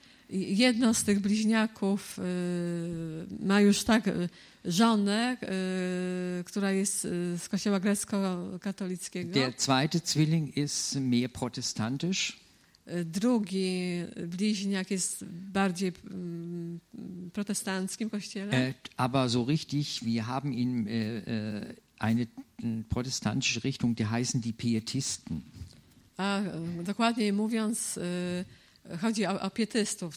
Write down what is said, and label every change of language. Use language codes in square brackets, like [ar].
[pl] Jedno z tych bliźniaków ma już tak żonę, która jest z kościoła grecko-katolickiego. [de] Der zweite Zwilling ist mehr protestantisch. [pl] Drugi bliźniak jest bardziej protestanckim kościele. [de] Aber so richtig, wir haben ihn eine protestantische Richtung, die heißen die Pietisten. [pl] A dokładniej mówiąc, chodzi o pietystów.